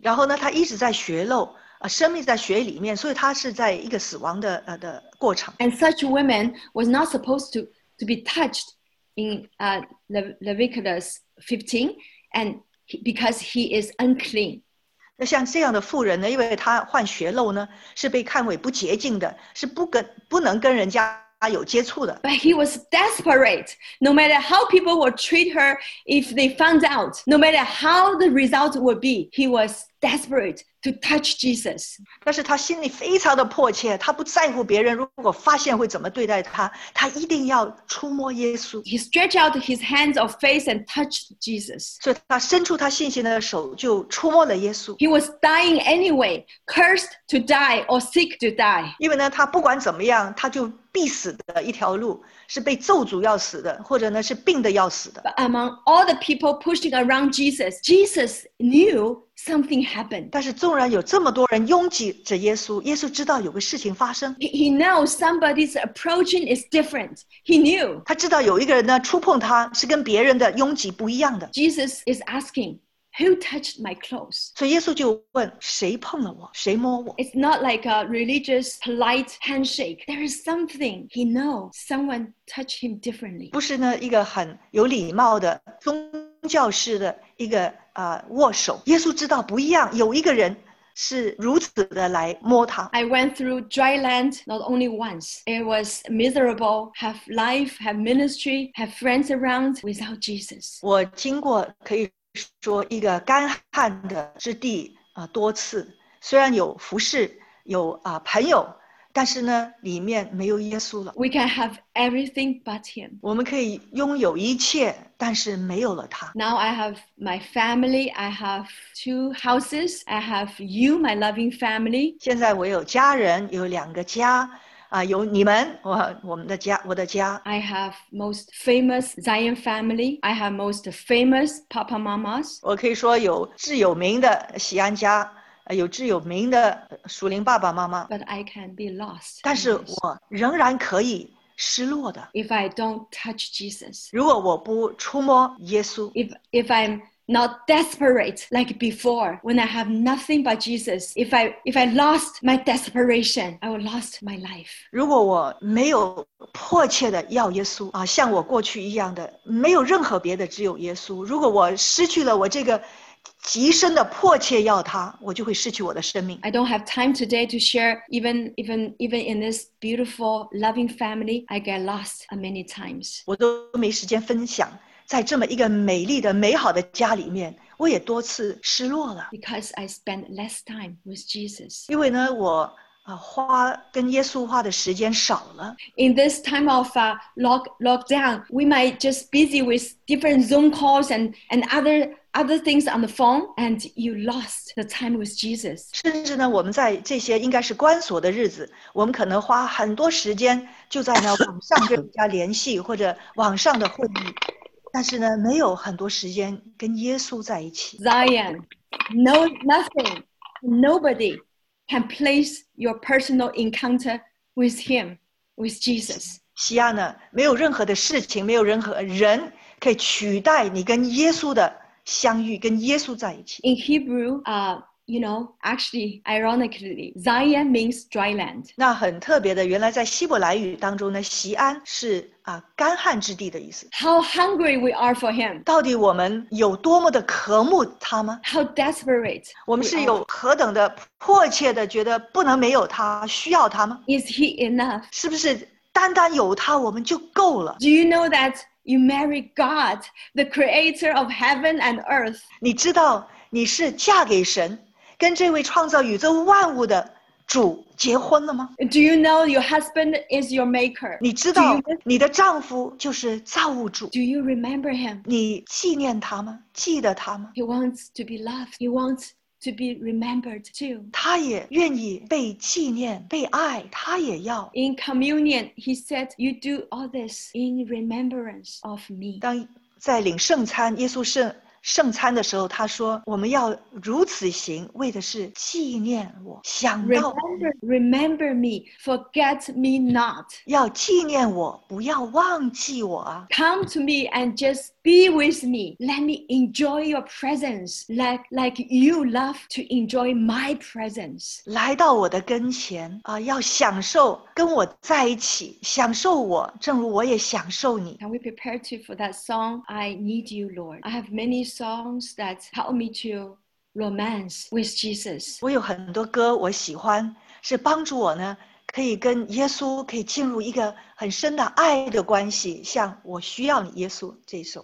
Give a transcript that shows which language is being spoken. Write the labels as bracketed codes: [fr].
[zh] 然后呢，他一直在血漏，生命在血里面，所以他是在一个死亡的的过程。 [en] And such women was not supposed to be touched in Leviticus 15, and because he is unclean. [zh] 那像这样的妇人呢，因为她患血漏呢，是被看为不洁净的，是不能跟人家。 [en] But he was desperate. No matter how people would treat her, if they found out, no matter how the result would be, he was desperate to touch Jesus. [zh] 但是他心里非常的迫切，他不在乎别人如果发现会怎么对待他，他一定要触摸耶稣。 [en] He stretched out his hands of faith and touched Jesus. [zh] 所以他伸出他信心的手就触摸了耶稣。 [en] He was dying anyway, cursed to die or sick to die. [zh] 因为呢，他不管怎么样，他就必死的一条路是被咒诅要死的，或者呢是病的要死的。 [en] But among all the people pushing around Jesus, Jesus knew something happened. [zh] 但是纵然有这么多人拥挤着耶稣，耶稣知道有个事情发生。 [en] He knows somebody's approaching is different. He knew. [zh] 他知道有一个人呢触碰他是跟别人的拥挤不一样的。 [en] Jesus is asking. Who touched my clothes? [zh] 所以耶稣就问谁碰了我，谁摸我。 [en] It's not like a religious, polite handshake. There is something he knows. Someone touched him differently. [zh] 不是呢一个很有礼貌的宗教式的一个握手。耶稣知道不一样，有一个人是如此的来摸他。 [en] I went through dry land not only once. It was miserable. Have life, have ministry, have friends around without Jesus. [zh] 我经过可以。说一个干旱的之地多次，虽然有服侍，有朋友，但是呢，里面没有耶稣了。 [en] We can have everything but him. [zh] 我们可以拥有一切，但是没有了他。 [en] Now I have my family. I have two houses. I have you, my loving family. [zh] 现在我有家人，有两个家。有你们，我们的家，我的家。 [en] I have most famous Zion family. I have most famous Papa Mamas. [zh] 我可以说有至有名的喜安家，有至有名的属灵爸爸妈妈。 [en] But I can be lost. [zh] 但是我仍然可以失落的。 [en] If I don't touch Jesus. [zh] 如果我不触摸耶稣。 [en] If I'm not desperate like before when I have nothing but Jesus. If I lost my desperation, I would lost my life. [zh] 如果我没有迫切的要耶稣，像我过去一样的，没有任何别的，只有耶稣。如果我失去了我这个极深的迫切要他，我就会失去我的生命。 [en] I don't have time today to share even in this beautiful loving family, I get lost many times. [zh] 我都没时间分享。在这么一个美丽的、美好的家里面，我也多次失落了。 [en] Because I spend less time with Jesus. [zh] 因为呢，我花跟耶稣花的时间少了。 [en] In this time of lockdown, we might just busy with different Zoom calls and other things on the phone, and you lost the time with Jesus. [zh] 甚至呢，我们在这些应该是关锁的日子，我们可能花很多时间就在呢网上跟人家联系或者网上的会议。但是呢，没有很多时间跟耶稣在一起。 [en] Zion, no nothing, nobody can place your personal encounter with him, with Jesus. [zh] 西安呢，没有任何的事情，没有任何人可以取代你跟耶稣的相遇，跟耶稣在一起。 [en] In Hebrew, you know, actually, ironically, Zion means dry land. [zh] 那很特别的，原来在希伯来语当中呢，西安是。干旱之地的意思。 [en] How hungry we are for him. [zh] 到底我们有多么的渴慕他吗？ [en] How desperate. [zh] 我们是有何等的迫切的觉得不能没有他，需要他吗？ [en] Is he enough? [zh] 是不是单单有他我们就够了？ [en] Do you know that you marry God, the creator of heaven and earth? [zh] 你知道你是嫁给神，跟这位创造宇宙万物的主结婚了吗? [en] Do you know your husband is your maker? [zh] 你知道你的丈夫就是造物主。 [en] Do you remember him? [zh] 你纪念他吗?记得他吗? [en] He wants to be loved. He wants to be remembered too. [zh] 他也愿意被纪念,被爱,他也要。 [en] In communion, he said, you do all this in remembrance of me. [zh] 当在领圣餐,耶稣圣圣餐的时候他说我们要如此行为的是纪念我想到 [en] remember me forget me not [zh] 要纪念我不要忘记我、啊、 [en] come to me and just be with me let me enjoy your presence like you love to enjoy my presence [zh] 来到我的跟前、啊、要享受跟我在一起享受我正如我也享受你 [en] can we prepare to for that song I need you Lord I have many songs that help me to romance with Jesus [zh] 我有很多歌我喜欢是帮助我呢可以跟耶稣可以进入一个很深的爱的关系像我需要你耶稣这一首